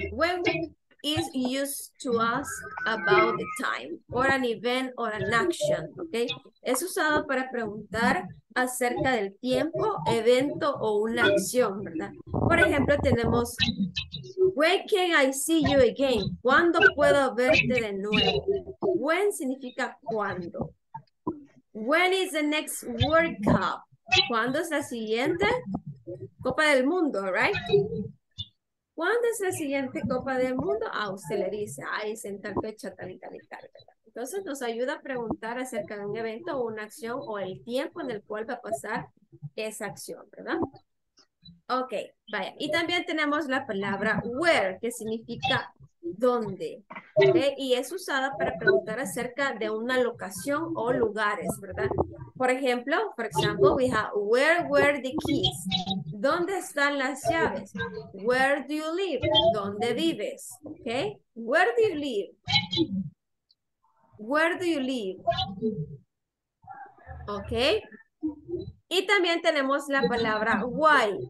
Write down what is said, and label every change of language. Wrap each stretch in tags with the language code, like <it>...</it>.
<en>When is used to ask about the time, or an event, or an action, okay?</en> <es>Es usado para preguntar acerca del tiempo, evento, o una acción, ¿verdad? Por ejemplo, tenemos,</es> <en>when can I see you again?</en> <es>¿Cuándo puedo verte de nuevo? When significa cuándo.</es> <en>When is the next World Cup?</en> <es>¿Cuándo es la siguiente Copa del Mundo, right? ¿Cuándo es la siguiente Copa del Mundo? Ah, usted le dice, ay, es en tal fecha, tal y tal y tal, ¿verdad? Entonces nos ayuda a preguntar acerca de un evento o una acción o el tiempo en el cual va a pasar esa acción, ¿verdad? Ok, vaya. Y también tenemos la palabra where, que significa dónde, ¿okay? Y es usada para preguntar acerca de una locación o lugares, ¿verdad? Por ejemplo,</es> <en>for example, we have, where were the keys?</en> <es>¿Dónde están las llaves?</es> <en>Where do you live?</en> <es>¿Dónde vives?</es> <en>¿Okay? Where do you live? Where do you live?</en> <es>¿Ok? Y también tenemos la palabra why.</es>